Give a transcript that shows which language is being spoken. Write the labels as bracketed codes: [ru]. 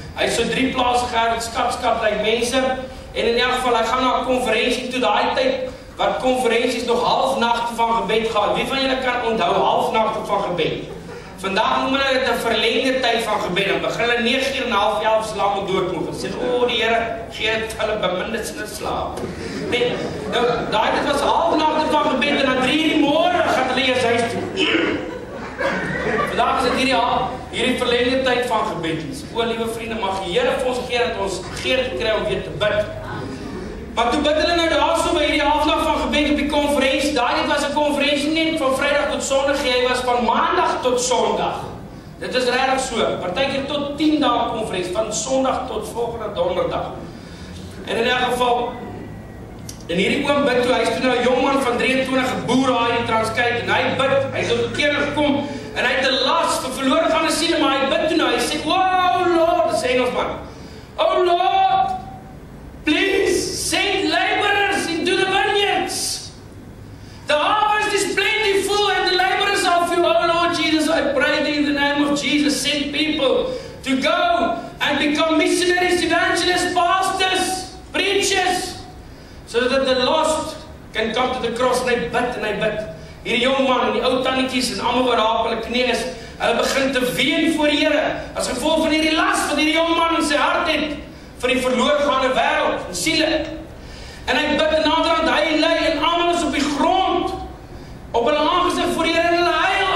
[af] Hy het so drie plaas geër, het skapskap like mense. En in elk geval, hy gaan na konferensie toe, daai tyd, wat konferensies nog half nacht van gebed gehad. Wie van julle kan onthou half nacht van gebed? Vandaag noem hulle dit 'n verlengde tyd van gebed. En begin hulle 9 en half jaar slaap en doodmoeg. En sê, o, die Here, gee het hulle beminde sinne slaap. Nee, nou, daai tyd was half nacht van gebed, en na 3 die morgen gaat hulle eers huis toe. Vandaag is dit hierdie half, hierdie verlengde tyd van gebed. O, liewe vriende, mag die Here vir ons gee, dat ons geer te kry om weer te bid. Maar toe bid hulle nou daar so by hierdie halfnag van gebed op die konferensie. Daar dit was 'n konferensie net van Vrydag tot Sondag. Jy was van Maandag tot Sondag. Dit is regtig so. Partykeer tot 10 dae konferensie van Sondag tot volgende Donderdag. En in 'n geval in hierdie oom bid toe, hy is toe nou 'n jong man van 23, 'n boer daar in Transkei en hy bid. Hy het tot bekering gekom en hy het 'n las vir verlore van 'n siele, maar hy bid toe nou. Hy sê, "O Lord," sê ons man. [en] "O Lord, please send laborers into the vineyards. The harvest is plentiful and the laborers are few. Oh Lord Jesus, I pray thee in the name of Jesus, send people to go and become missionaries, evangelists, pastors, preachers, so that the lost can come to the cross." And I bid and I bid. [af] Hierdie jong man, die ou tannetjies en almal wat daar op hulle knie is, hulle begin te ween voor die Here as gevolg van hierdie las wat hierdie jong man in sy hart het vir die verloorgaande wêreld en siele. En hy bid en naderhand hy lê en almal is op die grond op hulle aangesig voor die Here en hulle huil.